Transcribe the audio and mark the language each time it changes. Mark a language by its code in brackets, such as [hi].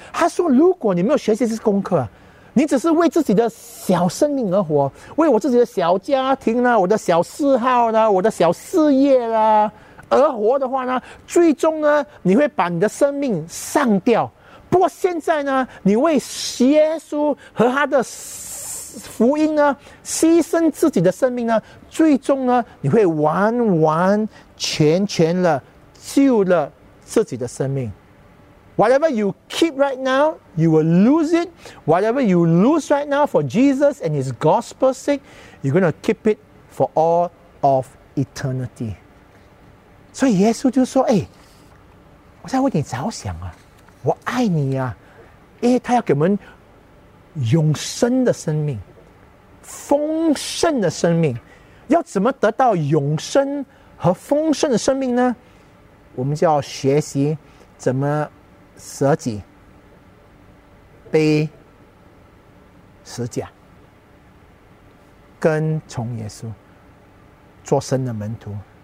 [zh] 他说如果你没有学习这些功课，你只是为自己的小生命而活，为我自己的小家庭啦，我的小嗜好啦，我的小事业啦而活的话呢，最终呢你会把你的生命丧掉。不过现在呢，你为耶稣和他的福音呢牺牲自己的生命呢，最终呢你会完完全全的救了自己的生命。 [en] Whatever you keep right now, you will lose it. Whatever you lose right now for Jesus and his gospel's sake, you're going to keep it for all of eternity. [zh] 所以耶稣就说，哎，我在为你着想啊，我爱你啊，因为他要给我们永生的生命，丰盛的生命。要怎么得到永生和丰盛的生命呢？我们就要学习怎么舍己背十字架，跟从耶稣做神的门徒。